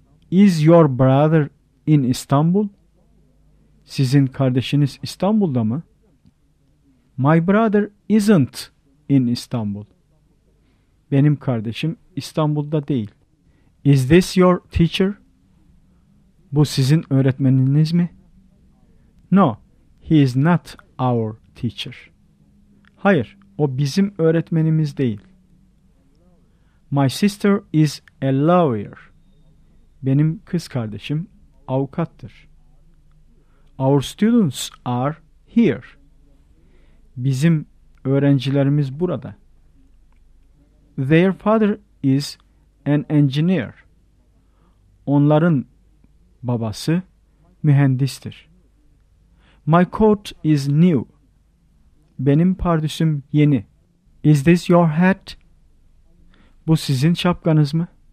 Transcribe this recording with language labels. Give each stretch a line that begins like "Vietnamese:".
English: Is your brother in Istanbul?
Turkish: Sizin kardeşiniz İstanbul'da mı?
English: My brother isn't in Istanbul.
Turkish: Benim kardeşim İstanbul'da değil.
English: Is this your teacher?
Turkish: Bu sizin öğretmeniniz mi?
English: No, he is not our teacher.
Turkish: Hayır, o bizim öğretmenimiz değil.
English: My sister is a lawyer.
Turkish: Benim kız kardeşim avukattır.
English: Our students are here.
Turkish: Bizim öğrencilerimiz burada.
English: Their father is an engineer.
Turkish: Onların babası mühendistir.
English: My coat is new.
Turkish: Benim pardüsüm yeni.
English: Is this your hat?
Turkish: Bu sizin şapkanız mı?